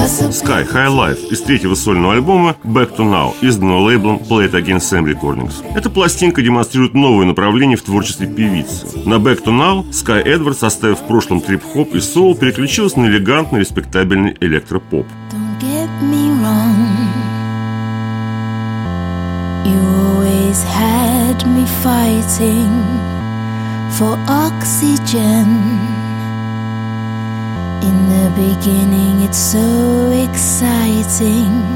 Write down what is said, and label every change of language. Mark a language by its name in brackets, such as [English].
[Russian] Sky High Life из третьего сольного альбома Back to Now, изданного лейблом Play It Again Sam Recordings. Эта пластинка демонстрирует новое направление в творчестве певицы. На Back to Now Sky Edwards, оставив в прошлом трип-хоп и соул, переключилась на элегантный, респектабельный электропоп. [English] Don't get me wrong, you always had me fighting for oxygen. In the beginning, it's so exciting.